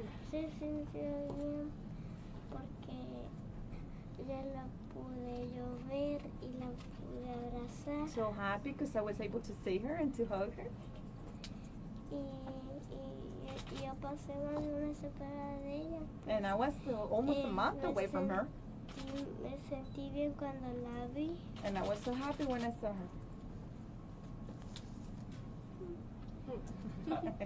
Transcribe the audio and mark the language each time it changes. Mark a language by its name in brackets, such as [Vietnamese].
[Spanish] Se sintió bien porque ya la pude yo ver y la pude abrazar. [English] So happy because I was able to see her and to hug her. [Spanish] Y yo pasé más de una separada de ella. [English] And I was almost a month away from her. [Spanish] Me sentí bien cuando la vi. [English] And I was so happy when I saw her.